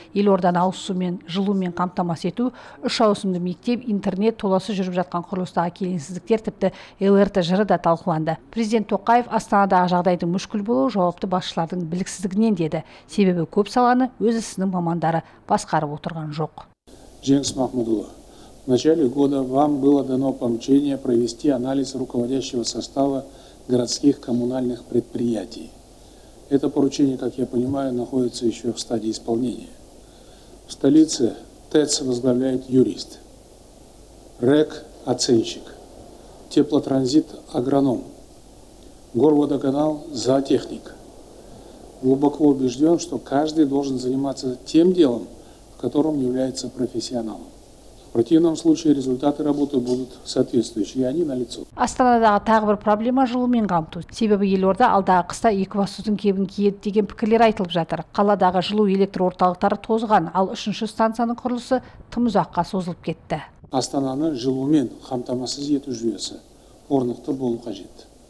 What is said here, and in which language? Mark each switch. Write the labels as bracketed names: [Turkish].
[Kazakh] Елорданы ауыз сумен, жылумен қамтамасыз ету, үш ауысымды мектеп, интернет, толасы жүріп жатқан құрылыстағы келеңсіздіктер тіпті ЛРТ жыры да талқыланды. Президент Тоқаев Астанадағы жағдайдың мүшкіл болуы жауапты басшылардың біліксіздігінен деді. Себебі көп саланы өз ісінің мамандары басқарып отырған жоқ. [Russian] Жеңіс Махмудұлы, в начале года вам было дано поручение провести анализ руководящего состава городских коммунальных предприятий. Это поручение, как я понимаю, находится еще в стадии исполнения. В столице ТЭЦ возглавляет юрист, РЭК – оценщик, теплотранзит – агроном, горводоканал – зоотехник. Глубоко убежден, что каждый должен заниматься тем делом, в котором является профессионалом. В противном случае результаты работы будут соответствующие, они налицо. [Kazakh] Астанадағы тағы бір проблема жылумен қамту. Себебі елорда алдағы қыста екібастұздың кебін киеді деген пікірлер айтылып жатыр. Қаладағы жылу электр орталықтары тозған, ал үшінші станцияның құрылысы тым ұзаққа созылып кетті. Астананы жылумен қамтамасыз ету жүйесі орнықты болу қажет.